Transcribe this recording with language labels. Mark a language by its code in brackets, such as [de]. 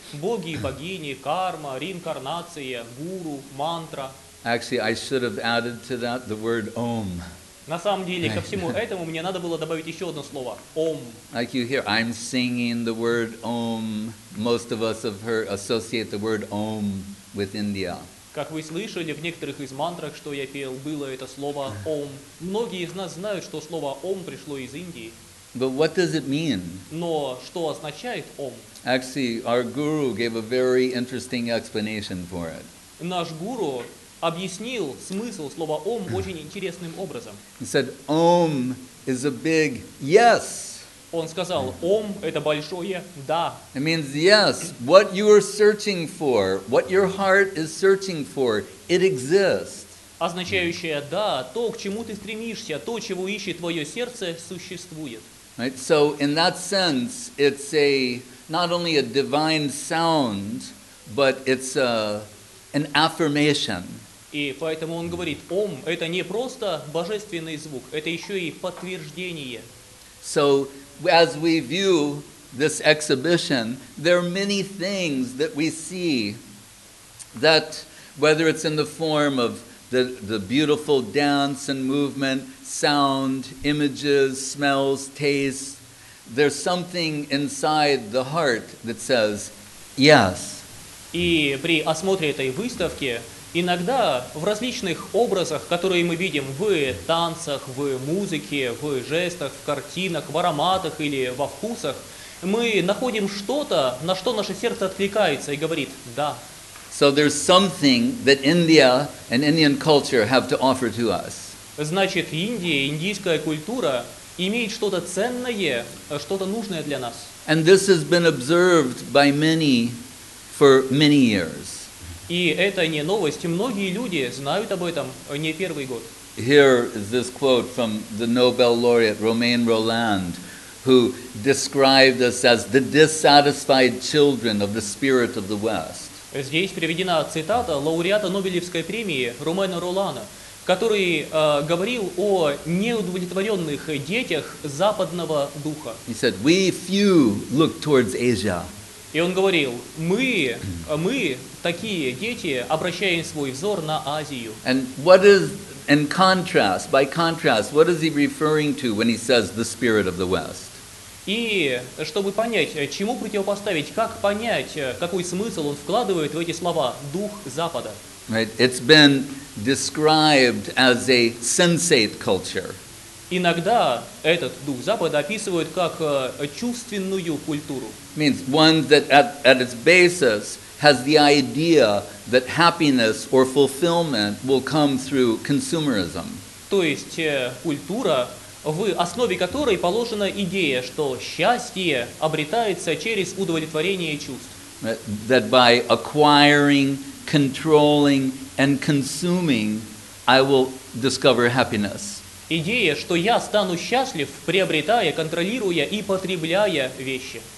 [ru] Боги и богини, карма, реинкарнация, гуру, мантра. [en] Actually, I should have added to that the word Om. [ru] На самом деле, ко всему этому мне надо было добавить еще одно слово Ом. [en] Like you hear, I'm singing the word Ом. Most of us have heard associate the word Ом with India. [ru] Как вы слышали, в некоторых из мантрах, что я пел, было это слово Ом. Многие из нас знают, что слово Ом пришло из Индии. [en] But what does it mean? [ru] Но что означает Ом? [en] Actually, our guru gave a very interesting explanation for it. [ru] Наш гуру объяснил смысл слова Ом очень интересным образом. [en] He said, Om is a big yes. [ru] Он сказал, Ом это большое да. [en] It means yes. What you are searching for, what your heart is searching for, it exists. [ru] Означающее да, то, к чему ты стремишься, то, чего ищет твое сердце, существует. [en] Right. So in that sense, it's a not only a divine sound, but it's a an affirmation. [ru] И поэтому он говорит, Ом это не просто божественный звук, это еще и подтверждение. [en] So as we view this exhibition, there are many things that we see that, whether it's in the form of the beautiful dance and movement, sound, images, smells, tastes, there's something inside the heart that says, yes. [ru] И при осмотре этой выставки иногда в различных образах, которые мы видим в танцах, в музыке, в жестах, в картинах, в ароматах или во вкусах, мы находим что-то, на что наше сердце откликается и говорит «да». [en] So there's something that India and Indian culture have to offer to us. [ru] Значит, Индия, индийская культура имеет что-то ценное, что-то нужное для нас. [en] And this has been observed by many for many years. [ru] И это не новость. Многие люди знают об этом не первый год. [en] Here is this quote from the Nobel laureate Romain Rolland, who described us as the dissatisfied children of the spirit of the West. [ru] Здесь приведена цитата лауреата Нобелевской премии Ромена Ролана, который говорил о неудовлетворенных детях западного духа. [en] He said, "We few look towards Asia." [ru] И он говорил, мы такие дети, обращаем свой взор на Азию. [en] And what is, in contrast, by contrast, what is he referring to when he says the spirit of the West? [ru] И чтобы понять, чему противопоставить, как понять, какой смысл он вкладывает в эти слова, дух Запада. [en] Right. It's been described as a sensate culture. [ru] Иногда этот дух Запада описывают как чувственную культуру. [en] Means one that at its basis has the idea that happiness or fulfillment will come through consumerism. [ru] То есть культура, в основе которой положена идея, что счастье обретается через удовлетворение чувств. [en] That by acquiring, controlling, and consuming, I will discover happiness. [ru] Идея, что я стану счастлив, приобретая, контролируя и потребляя вещи.